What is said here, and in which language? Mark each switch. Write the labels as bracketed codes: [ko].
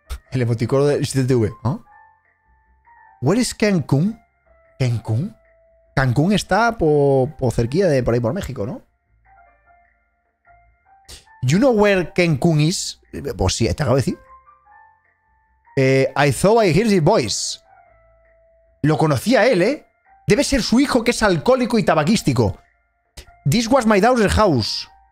[es] El emoticono del CTV. ¿Eh? [en] ¿Where is Cancún? [es] ¿Cancún? Cancún está por cerquilla de por ahí por México, ¿no? [en] You know where Cancún is? [es] Pues sí, te acabo de decir. [en] I thought I heard his voice. [es] Lo conocía él, ¿eh? Debe ser su hijo que es alcohólico y tabaquístico. [en] This was my daughter's house.